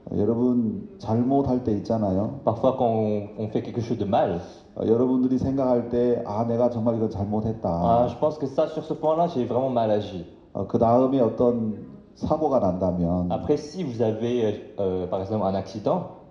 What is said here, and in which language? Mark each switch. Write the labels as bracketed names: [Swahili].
[Korean] 여러분 잘못할 때 있잖아요. [French] Parfois, quand on fait quelque chose de mal, [Korean] 여러분들이 생각할 때, 내가 정말 이거 [French] Ah, je [Korean] 잘못했다. [French] pense que ça, sur ce point-là, j'ai vraiment mal agi. [Korean] 그 다음에 어떤 사고가 난다면, [French] Après, si vous avez, par exemple, un accident,